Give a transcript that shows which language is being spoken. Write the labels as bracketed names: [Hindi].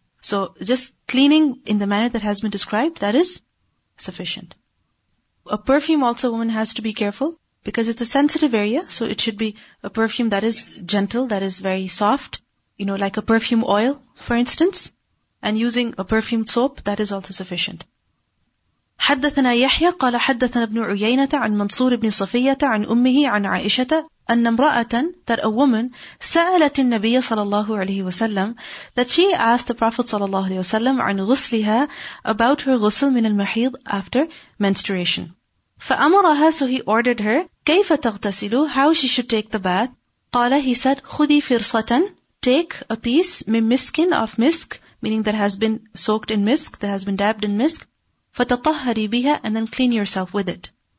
[English] So just cleaning in the manner that has been described, that is sufficient. A perfume also, a woman has to be careful because it's a sensitive area. So it should be a perfume that is gentle, that is very soft. You know, like a perfume oil, for instance. And using a perfumed soap, that is also sufficient. [Arabic] حدثنا يحيى قال حدثنا ابن عيينة عن منصور بن صفية عن أمه عن عائشة أن امرأة [English] that a woman [Arabic] سألت النبي صلى الله عليه وسلم [English] that she asked the Prophet [Arabic] صلى الله عليه وسلم عن غسلها [English] about her [Arabic] غسل من المحيض [English] after menstruation. [Arabic] فأمرها [English] so he ordered her [Arabic] كيف تغتسل [English] how she should take the bath. [Arabic] قال [English] he said [Arabic] خذي فرصة [English] take a piece [Arabic] من مسك [English] of misk meaning that has been soaked in misk that has been dabbed in misk [Arabic] فَتَطَهَّرِ بِهَا [English] And then clean yourself with it.